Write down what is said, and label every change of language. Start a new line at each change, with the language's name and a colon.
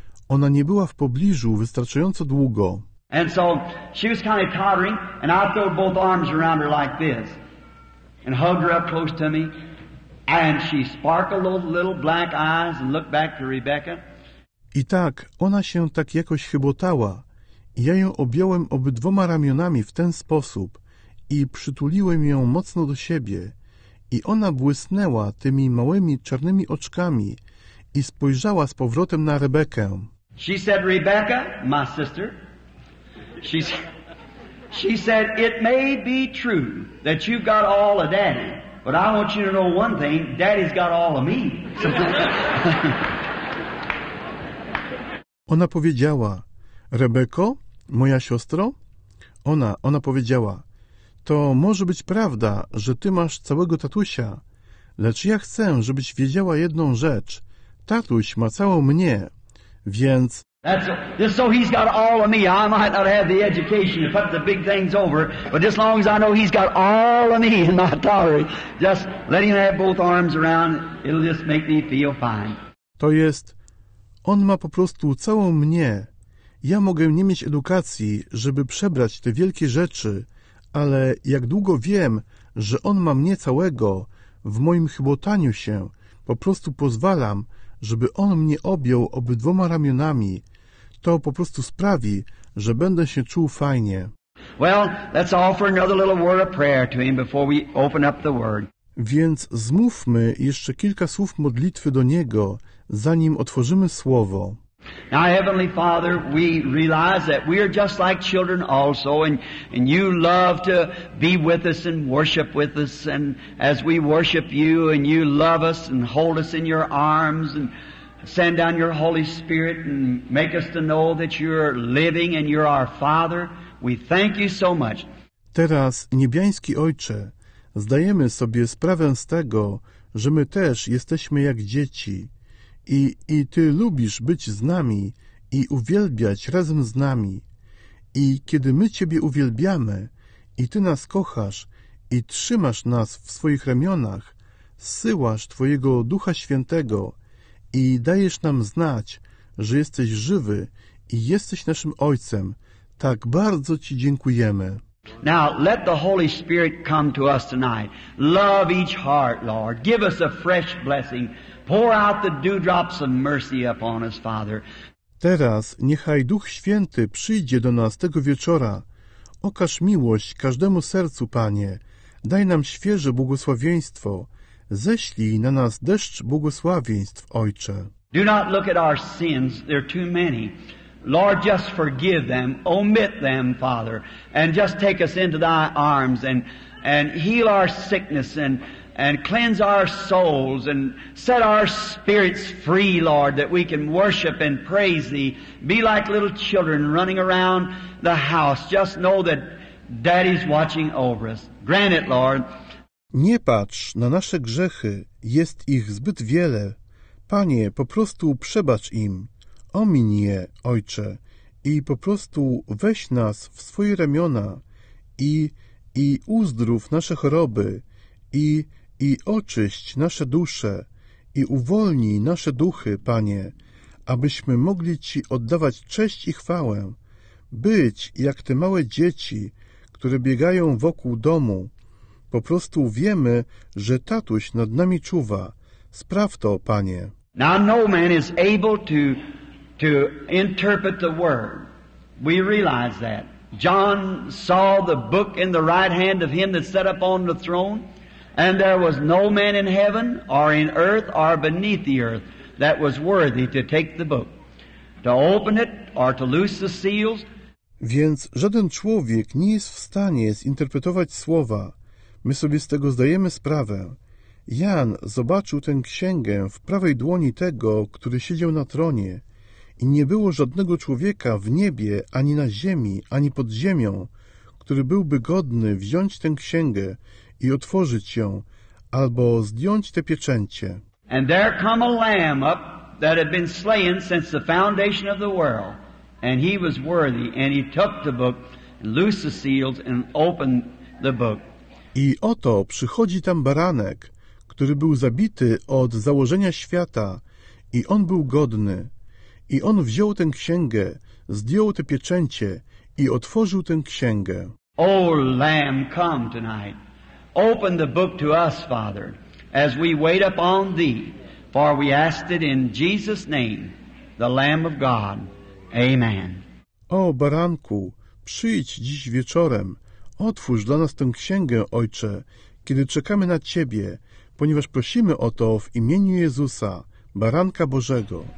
Polish: Ona nie była w pobliżu wystarczająco długo.
English: And so she was kind of tottering, and I threw both arms around her like this, and hugged her up close to me, and she sparkled those little black eyes and looked back to Rebecca.
Polish: I tak, ona się tak jakoś chybotała. Ja ją objąłem obydwoma ramionami w ten sposób i przytuliłem ją mocno do siebie i ona błysnęła tymi małymi czarnymi oczkami i spojrzała z powrotem na Rebekę.
English: She said, Rebecca, my sister, she said, it may be true that you've got all of Daddy, but I want you to know one thing, Daddy's got all of me.
Polish: Ona powiedziała, Rebeko, moja siostro? Ona powiedziała, to może być prawda, że ty masz całego tatusia, lecz ja chcę, żebyś wiedziała jedną rzecz. Tatuś ma całą mnie, więc...
English: Just so he's got all of me. I might not have the education to put the big things over, but just as long as I know he's got all of me in my tatuary, just let him have both arms around, it'll just make me feel fine.
Polish: To jest, on ma po prostu całą mnie. Ja mogę nie mieć edukacji, żeby przebrać te wielkie rzeczy, ale jak długo wiem, że on ma mnie całego, w moim chybotaniu się, po prostu pozwalam, żeby on mnie objął obydwoma ramionami. To po prostu sprawi, że będę się czuł fajnie.
English: Well, let's offer another little word of prayer to him before we open up the word.
Polish: Więc zmówmy jeszcze kilka słów modlitwy do Niego, zanim otworzymy Słowo.
English: Now, Heavenly Father, we realize that we are just like children also, and you love to be with us and worship with us, and as we worship you, and you love us and hold us in your arms, and send down your Holy Spirit, and make us to know that you're living and you're our Father. We thank you so much.
Polish: Teraz, niebiański Ojcze, zdajemy sobie sprawę z tego, że my też jesteśmy jak dzieci. I Ty lubisz być z nami i uwielbiać razem z nami. I kiedy my Ciebie uwielbiamy i Ty nas kochasz i trzymasz nas w swoich ramionach, zsyłasz Twojego Ducha Świętego i dajesz nam znać, że jesteś żywy i jesteś naszym Ojcem, tak bardzo Ci dziękujemy.
English: Now let the Holy Spirit come to us tonight. Love each heart, Lord. Give us a fresh blessing. Pour out the dewdrops of mercy upon us, Father.
Polish: Teraz niechaj Duch Święty przyjdzie do nas tego wieczora. Okaż miłość każdemu sercu, Panie. Daj nam świeże błogosławieństwo. Ześlij na nas deszcz błogosławieństw, Ojcze.
English: Do not look at our sins. They're too many. Lord, just forgive them, omit them, Father, and just take us into thy arms and heal our sickness and cleanse our souls and set our spirits free, Lord, that we can worship and praise thee. Be like little children running around the house. Just know that Daddy's watching over us. Grant it, Lord.
Polish: Nie patrz na nasze grzechy. Jest ich zbyt wiele. Panie, po prostu przebacz im. Omiń je, Ojcze, i po prostu weź nas w swoje ramiona i uzdrów nasze choroby i oczyść nasze dusze i uwolnij nasze duchy, Panie, abyśmy mogli Ci oddawać cześć i chwałę, być jak te małe dzieci, które biegają wokół domu. Po prostu wiemy, że Tatuś nad nami czuwa. Spraw to, Panie.
English: Now no man is able to interpret the word. We realize that. John saw the book in the right hand of him that sat upon the throne, and there was no man in heaven or in earth or beneath the earth that was worthy to take the book, to open it or to loose the seals.
Polish: Więc żaden człowiek nie jest w stanie zinterpretować słowa. My sobie z tego zdajemy sprawę. Jan zobaczył tę księgę w prawej dłoni tego, który siedział na tronie, i nie było żadnego człowieka w niebie, ani na ziemi, ani pod ziemią, który byłby godny wziąć tę księgę i otworzyć ją, albo zdjąć te pieczęcie.
English: And there come a lamb up that had been slain since the foundation of the world, and he was worthy, and he took the book, loosed the seals, and opened the book.
Polish: I oto przychodzi tam baranek, który był zabity od założenia świata, i on był godny. I on wziął tę księgę, zdjął te pieczęcie i otworzył tę księgę.
English: O Lamb, come tonight. Open the book to us, Father, as we wait upon thee, for we ask it in Jesus' name, the Lamb of God. Amen.
Polish: O Baranku, przyjdź dziś wieczorem. Otwórz dla nas tę księgę, Ojcze, kiedy czekamy na Ciebie, ponieważ prosimy o to w imieniu Jezusa, Baranka Bożego.